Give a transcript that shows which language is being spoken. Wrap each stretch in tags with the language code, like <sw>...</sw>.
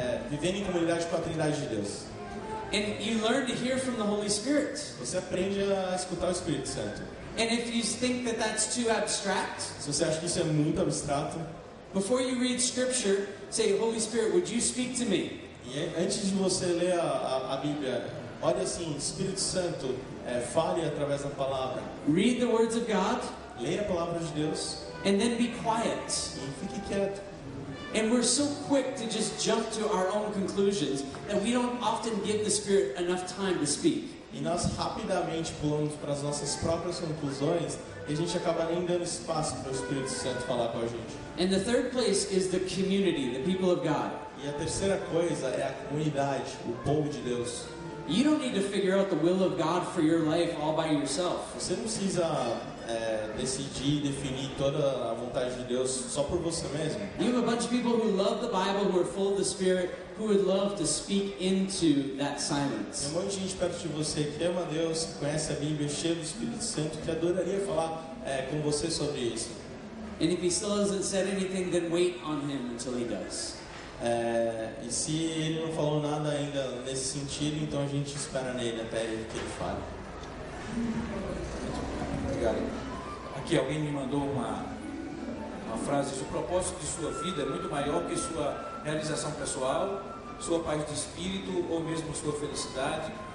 <pt>Vivendo em comunidade com a Trindade de Deus.</pt> <en>And you learn to hear from the Holy Spirit.</en> <pt>Você aprende a escutar o Espírito Santo.</pt> <en>And if you think that that's too abstract,</en> <pt>se você acha que isso é muito abstrato,</pt> <en>before you read Scripture, say, Holy Spirit, would you speak to me?</en> <pt>E antes de você ler a Bíblia, olha assim, Espírito Santo, fale através da palavra.</pt> <en>Read the words of God.</en> <pt>Leia a palavra de Deus.</pt> <en>And then be quiet.</en> <pt>E fique quieto.</pt> <en>And we're so quick to just jump to our own conclusions that we don't often give the Spirit enough time to speak.</en> <pt>E nós rapidamente pulamos para as nossas próprias conclusões e a gente acaba nem dando espaço para o Espírito Santo falar com a gente.</pt> <en>And the third place is the community, the people of God.</en> <pt>E a terceira coisa é a comunidade, o povo de Deus.</pt> <en>You don't need to figure out the will of God for your life all by yourself.</en> <pt>Você não precisa decidir, definir toda a vontade de Deus só por você mesmo.</pt> <en>You have a bunch of people who love the Bible, who are full of the Spirit, who would love to speak into that silence.</en> <pt>Tem um monte de gente perto de você que ama Deus, que conhece a Bíblia, cheio do Espírito Santo, que adoraria falar com você sobre isso.</pt> <en>And if he still hasn't said anything, then wait on him until he does.</en> <pt>E se ele não falou nada ainda nesse sentido, então a gente espera nele até que ele fale. Obrigado. Aqui alguém me mandou uma frase: o propósito de sua vida é muito maior que sua realização pessoal, sua paz de espírito ou mesmo sua felicidade.</pt>